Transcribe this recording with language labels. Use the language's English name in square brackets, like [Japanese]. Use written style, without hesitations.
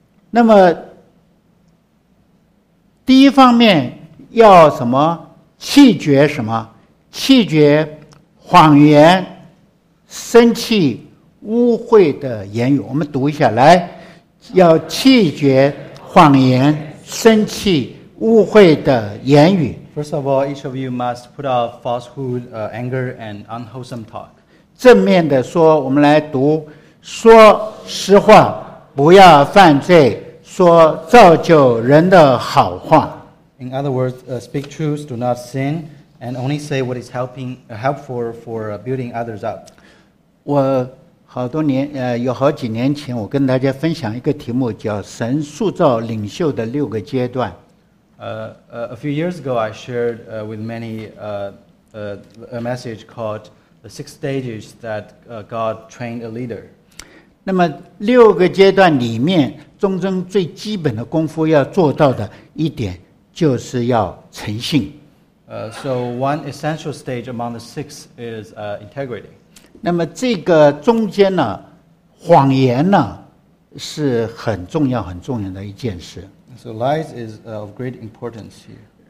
[Chinese] 那么第一方面要什么？弃绝什么？弃绝谎言、生气、污秽的言语。我们读一下来。要弃绝谎言、生气、污秽的言语。 [English] First of all, each of you must put off falsehood, anger, and unwholesome talk. [Chinese] 正面的说，我们来读：说实话，不要犯罪；说造就人的好话。 [English] In other words, speak truth, do not sin, and only say what is helpful for building others up. [Chinese] 我。好多年，有好几年前，我跟大家分享一个题目，叫“神塑造领袖的六个阶段”。 [English] A few years ago, I shared with many a message called "The Six Stages That God Trained a Leader." [Chinese] 那么六个阶段里面，中间最基本的功夫要做到的一点，就是要诚信。 [English] So one essential stage among the six is integrity. [Chinese] 那么这个中间呢，谎言呢是很重要、很重要的一件事。 [English] So lies is of great importance here.